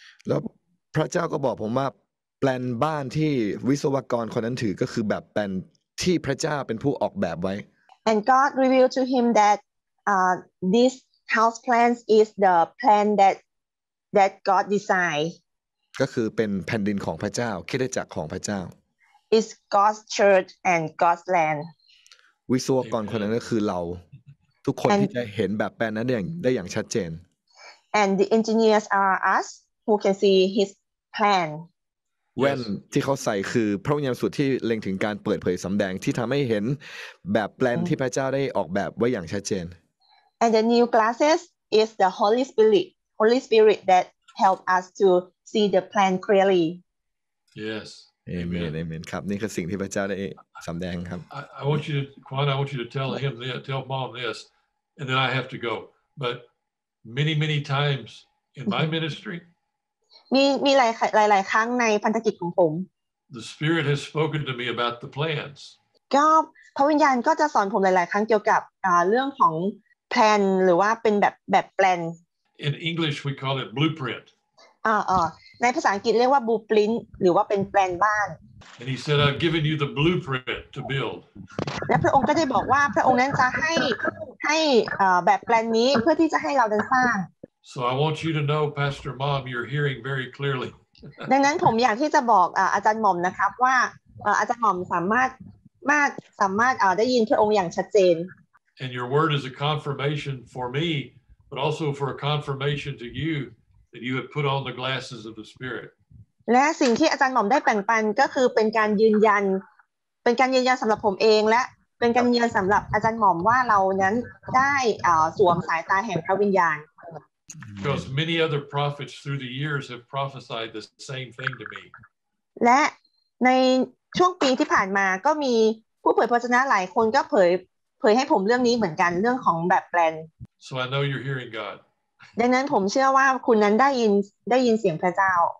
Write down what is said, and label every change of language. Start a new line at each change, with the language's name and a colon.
Thai: แล้วพระเจ้าก็บอกผมว่าแปลนบ้านที่วิศวกรคนนั้นถือก็คือแบบแปลนที่พระเจ้าเป็นผู้ออกแบบไว้
English: And God revealed to him that this house plan is the plan that God designed
Thai: ก็คือเป็นแผ่นดินของพระเจ้าคิดได้จากของพระเจ้า
English: It's God's church and God's land
Thai: วิศวกรคนนั้นก็คือเราทุกคน and, ที่จะเห็นแบบแปลนนั้นได้อย่างชัดเจน
English: And the engineers are us who can see his plan
Thai: แว่นที่เขาใส่คือพระวิญญาณสุดที่เล็งถึงการเปิดเผยสำแดงที่ทำให้เห็นแบบแปลนที่พระเจ้าได้ออกแบบไว้อย่างชัดเจน
English: And the new glasses is the Holy Spirit that help us to see the plan clearly Yes
Thai: Amen Amen ครับนี่คือสิ่งที่พระเจ้าได้สำแดงครับ
English: I want you to Quan I want you to tell him this, tell mom this and then I have to go but many many times in my ministrym
Thai: หลายครั้งในพันธกิจของผม
English: The Spirit has spoken to me about the plans.
Thai: ก็พระวิญญาณก็จะสอนผมหลายๆครั้งเกี่ยวกับเรื่องของแผนหรือว่าเป็นแบบแปลน
English: In English we call it blueprint.
Thai: ในภาษาอังกฤษเรียกว่า blueprint หรือว่าเป็นแปลนบ้าน
English: And he said I've given you the blueprint to build.
Thai: และพระองค์ก็ได้บอกว่าพระองค์นั้นจะให้แบบแปลนนี้เพื่อที่จะให้เราได้สร้าง
English: So I want you to know, Pastor Mom, you're hearing very clearly.
Thai: ดังนั้นผมอยากที่จะบอกอาจารย์หม่อมนะครับว่าอาจารย์หม่อมสามารถได้ยินพระองค์อย่างชัดเจน
English: And your word is a confirmation for me, but also for a confirmation to you that you have put on the glasses of the Spirit.
Thai: และสิ่งที่อาจารย์หม่อมได้แบ่งปันก็คือเป็นการยืนยันสำหรับผมเองและเป็นการยืนยันสำหรับอาจารย์หม่อมว่าเรานั้นได้สวมสายตาแห่งพระวิญญาณ
English: Because many other prophets through the years have prophesied the same thing to me.
Thai: และในช่วงปีที่ผ่านมาก็มีผู้เผยพระชนะหลายคนก็เผยให้ผมเรื่องนี้เหมือนกันเรื่องของแบบแปลน
English: So I know you're hearing God.
Thai: ดังนั้นผมเชื่อว่าคุณนั้นได้ยินเสียงพระเจ้า